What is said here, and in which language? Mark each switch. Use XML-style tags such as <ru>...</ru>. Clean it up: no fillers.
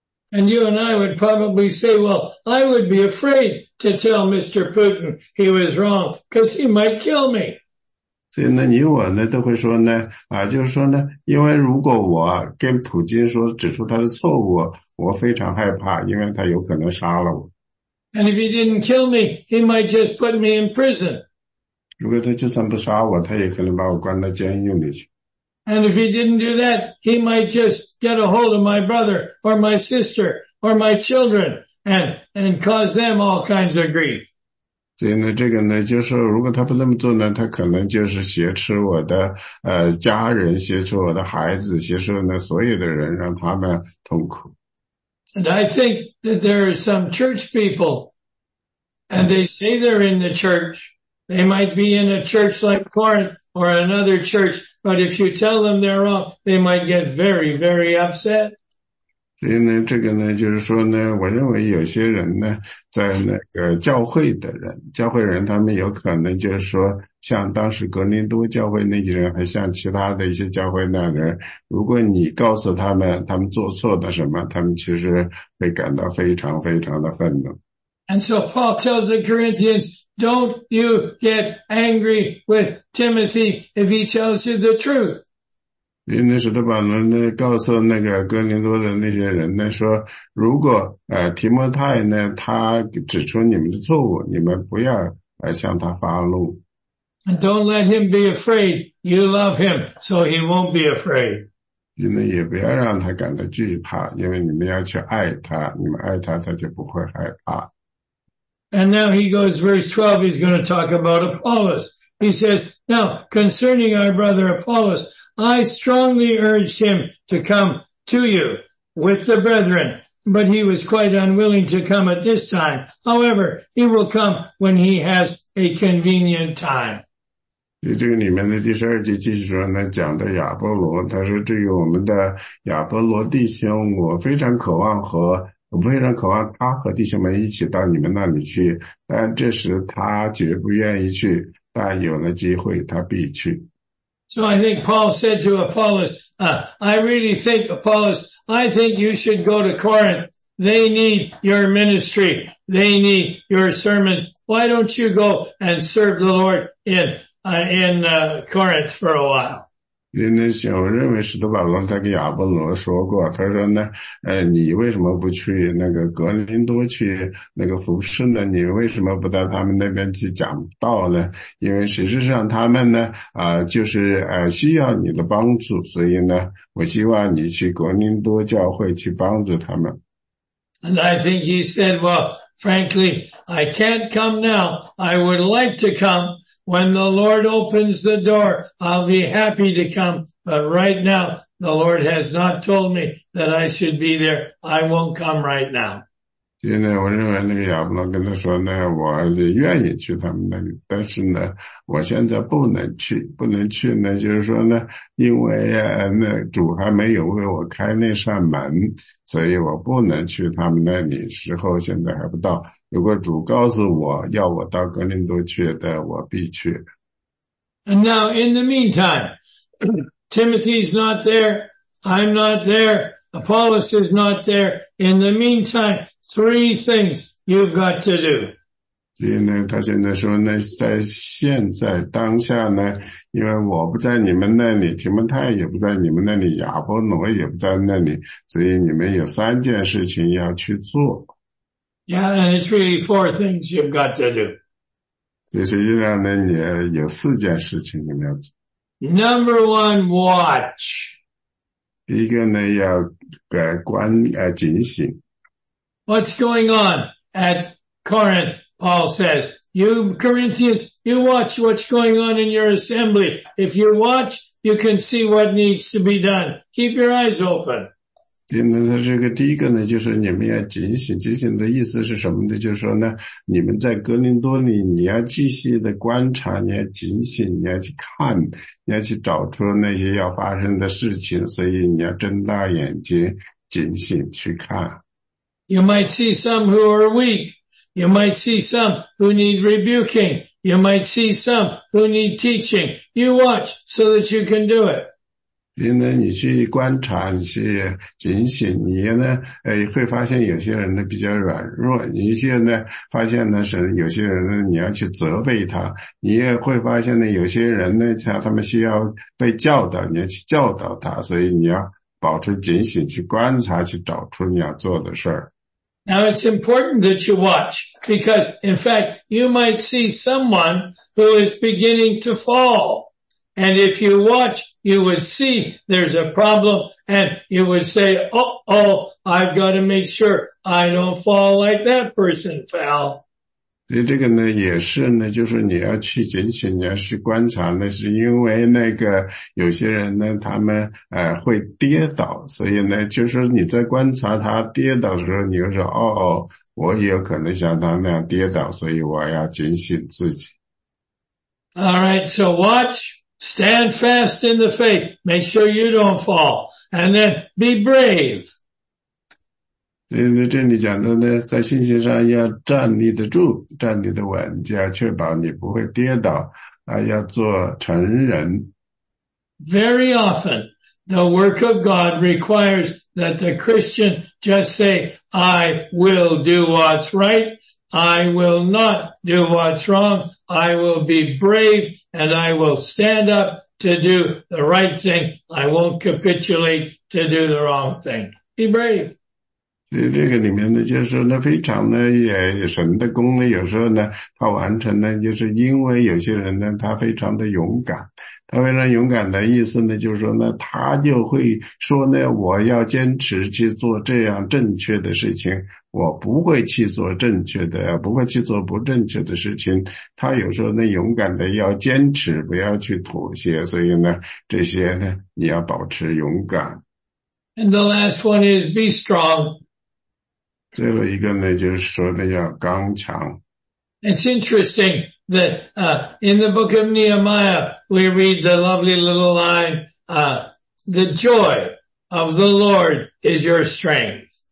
<en>And you and I would probably say, well, I would be afraid to tell Mr. Putin he was wrong, because he might kill me.</en> <zh>所以呢，你我呢都会说呢，就是说呢，因为如果我跟普京说指出他的错误，我非常害怕，因为他有可能杀了我。</zh> <en>And if he didn't kill me, he might just put me in prison.</en> <zh>如果他就算不杀我，他也可能把我关到监狱里去。</zh> <en>And if he didn't do that, he might just get a hold of my brother or my sister or my children and cause them all kinds of grief.</en> <zh>所以呢，这个呢，就是如果他不那么做呢，他可能就是挟持我的家人，挟持我的孩子，挟持呢所有的人，让他们痛苦。</zh> <en>And I think that there are some church people, and they say they're in the church. They might be in a church like Corinth or another church. But if you tell them they're wrong, they might get very, very upset.</en> <zh>所以呢，这个呢，就是说呢，我认为有些人呢，在那个教会人，他们有可能就是说，像当时格林多教会那些人，还像其他的一些教会那人，如果你告诉他们他们做错的什么，他们其实会感到非常非常的愤怒。</zh> <en>And so Paul tells the Corinthians. Don't you get angry with Timothy if he tells you the truth.</en> <zh>因为那时的保罗呢告诉那个哥林多的那些人呢说，如果提摩太呢他指出你们的错误，你们不要向他发怒。</zh> <en>Don't let him be afraid. You love him, so he won't be afraid.</en> <zh>因为也不要让他感到惧怕，因为你们要去爱他，你们爱他，他就不会害怕。</zh> <en>And now he goes verse 12. He's going to talk about Apollos. He says, "Now concerning our brother Apollos, I strongly urged him to come to you with the brethren, but he was quite unwilling to come at this time. However, he will come when he has a convenient time."</en> <zh>这个里面的第十二节继续说呢，讲的亚波罗，他说至于我们的亚波罗弟兄，我非常渴望和。我非常渴望他和弟兄们一起到你们那里去，但这时他绝不愿意去，但有了机会他必去。</zh> <en>So I think Paul said to Apollos, I really think Apollos, I think you should go to Corinth. They need your ministry. They need your sermons. Why don't you go and serve the Lord in Corinth for a while?</en> <zh>因为我认为使徒保罗他跟亚波罗说过，他说呢，你为什么不去那个格林多去那个服侍呢？你为什么不到他们那边去讲道呢？因为实际上他们呢，就是需要你的帮助，所以呢，我希望你去格林多教会去帮助他们。</zh> <en>And I think he said, well, frankly, I can't come now. I would like to come. When the Lord opens the door, I'll be happy to come. But right now, the Lord has not told me that I should be there. I won't come right now.</en> <zh>现在我认为那个亚伯罗跟他说呢，我愿意去他们那里，但是呢，我现在不能去，不能去呢，就是说呢，因为那主还没有为我开那扇门，所以我不能去他们那里，时候现在还不到。如果主告诉我要我到格林多去的，我必去。</zh> <en>And now, in the meantime, Timothy's not there, I'm not there, Apollos is not there. In the meantime, three things you've got to do.</en> <zh>所以呢，他现在说呢，在现在当下呢，因为我不在你们那里，提摩太也不在你们那里，亚波罗也不在那里，所以你们有三件事情要去做。</zh> <en>Yeah, and it's really four things you've got to do.</en> <zh>所以实际上呢，你有四件事情你们要做。</zh> <en>Number one, watch.</en> <zh>一个呢，要观警醒。</zh> <en>What's going on at Corinth? Paul says, you Corinthians, you watch what's going on in your assembly. If you watch, you can see what needs to be done. Keep your eyes open.</en> <zh>那他这个第一个呢，就是你们要警醒。警醒的意思是什么呢？就是说呢，你们在哥林多里，你要继续的观察，你要警醒，你要去看，你要去找出那些要发生的事情，所以你要睁大眼睛，警醒去看。</zh> <en>You might see some who are weak. You might see some who need rebuking. You might see some who need teaching. You watch so that you can do it.</en> <zh>因为你去观察，你去警醒，你呢，会发现有些人呢比较软弱，你现在发现呢是有些人呢你要去责备他，你也会发现呢有些人呢像他们需要被教导，你要去教导他，所以你要保持警醒，去观察，去找出你要做的事。</zh> <en>Now it's important that you watch, because in fact, you might see someone who is beginning to fall. And if you watch, you would see there's a problem, and you would say, oh, I've got to make sure I don't fall like that person fell.</en> <zh>所以这个呢也是呢，就是你要去警醒，你要去观察，那是因为那个有些人呢他们会跌倒，所以呢就是你在观察他跌倒的时候，你就说我有可能像他那样跌倒，所以我要警醒自己。</zh> <en>Alright, so watch, stand fast in the faith, make sure you don't fall, and then be brave.</en> <zh>这里讲的呢，在信心上要站立得住，站立得稳，就要确保你不会跌倒，要做成人。</zh> <en>Very often, the work of God requires that the Christian just say, I will do what's right, I will not do what's wrong, I will be brave, and I will stand up to do the right thing. I won't capitulate to do the wrong thing. Be brave.</en> <zh>这个里面呢，就是那非常的也神的功呢，有时候呢，他完成呢，就是因为有些人呢，他非常的勇敢。他非常勇敢的意思呢，就是说呢，他就会说呢，我要坚持去做这样正确的事情，我不会去做正确的，不会去做不正确的事情。他有时候呢，勇敢的要坚持，不要去妥协。所以呢，这些呢，你要保持勇敢。</zh> <en>And the last one is be strong.</en> <zh>最后一个呢，就是说呢，要刚强。</zh> <en>It's interesting that, in the book of Nehemiah, we read the lovely little line, the joy of the Lord is your strength.</en>